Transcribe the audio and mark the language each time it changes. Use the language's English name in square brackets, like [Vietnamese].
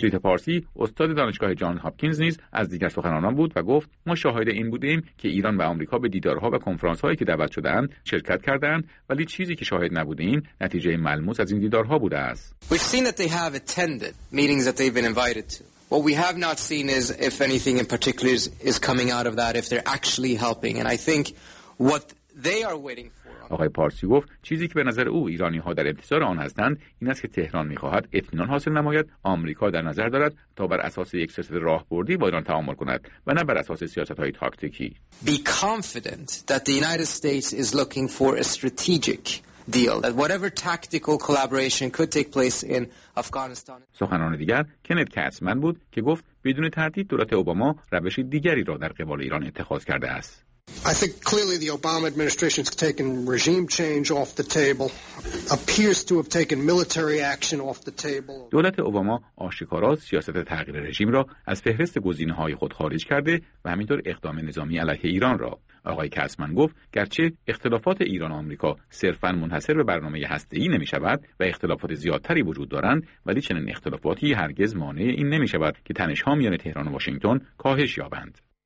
[Persian] پیتر پارسی استاد دانشگاه جان هاپکینز نیز از دیگر سخنرانان بود و گفت ما شاهد این بودیم که ایران و آمریکا به دیدارها و کنفرانس‌هایی که دعوت شده‌اند شرکت کردند ولی چیزی که شاهد نبودیم نتیجه ملموس از این دیدارها بوده است. [English] We've seen that they have attended meetings that they've been invited to. What we have not seen is if anything in particular is coming out of that, if they're actually helping. And I think what they are waiting for. [Persian] آقای پارسی گفت چیزی که به نظر او ایرانی ها در انتظار آن هستند این است که تهران میخواهد اطمینان حاصل نماید آمریکا در نظر دارد تا بر اساس یک سیاست راهبردی با ایران تعامل کند و نه بر اساس سیاست های تاکتیکی. [English] Be confident that the United States is looking for a strategic deal, that whatever tactical collaboration could take place in Afghanistan. [Persian] سخنان دیگر کنت کاتسمن بود که گفت بدون تردید دولت اوباما روش دیگری را در قبال ایران اتخاذ کرده است. [English] I think clearly the Obama administration's taken regime change off the table, appears to have taken military action off the table. [Persian] دولت اوباما آشکارا سیاست تغییر رژیم را از فهرست گزینه‌های خود خارج کرده و همینطور اقدام نظامی علیه ایران را. آقای کاتسمن گفت گرچه اختلافات ایران و آمریکا صرفاً منحصر به برنامه هسته‌ای نمی‌شود و اختلافات زیادتری وجود دارند ولی چنین اختلافاتی هرگز مانع این نمی‌شود که تنش‌ها میان تهران و واشنگتن کاهش یابند.